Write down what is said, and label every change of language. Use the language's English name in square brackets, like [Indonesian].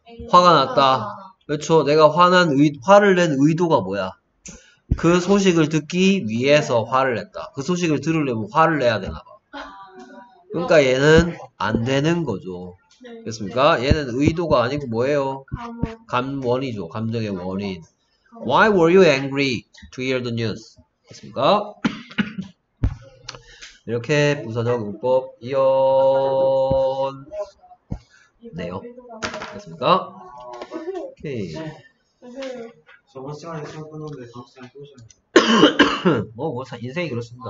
[Korean] 화가 났다. 그렇죠. 내가 화난 의, 화를 낸 의도가 뭐야? 그 소식을 듣기 위해서 화를 냈다. 그 소식을 들으려면 화를 내야 되나 봐. 그러니까 얘는 안 되는 거죠. 그렇습니까? 얘는 의도가 아니고 뭐예요? 감원이죠. 감정의 원인. [English] Why were you angry to hear the news? [Korean] 그렇습니까? 이렇게 부사적 문법 이어내요. 됐습니까? 오케이. 저번 시간에 수업 끊었는데 다음 시간에 또 시작해요. 뭐, 뭐, 인생이 그렇습니다.